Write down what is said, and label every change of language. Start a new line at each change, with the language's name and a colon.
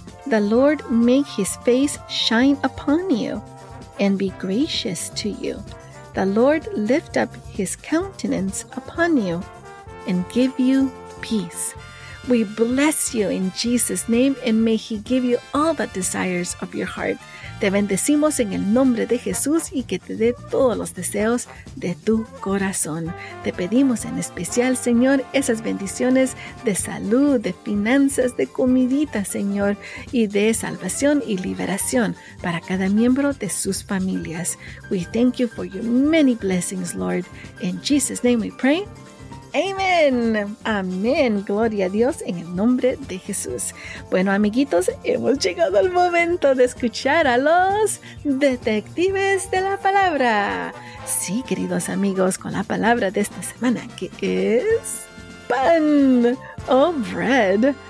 English: The Lord make his face shine upon you and be gracious to you. The Lord lift up his countenance upon you and give you peace. We bless you in Jesus' name, and may he give you all the desires of your heart.
Spanish: Te bendecimos en el nombre de Jesús y que te dé todos los deseos de tu corazón. Te pedimos en especial, Señor, esas bendiciones de salud, de finanzas, de comidita, Señor, y de salvación y liberación para cada miembro de sus familias.
English: We thank you for your many blessings, Lord. In Jesus' name we pray.
Spanish: Amén. Amén. Gloria a Dios en el nombre de Jesús. Bueno, amiguitos, hemos llegado al momento de escuchar a los detectives de la palabra. Sí, queridos amigos, con la palabra de esta semana, que es pan o
English: bread.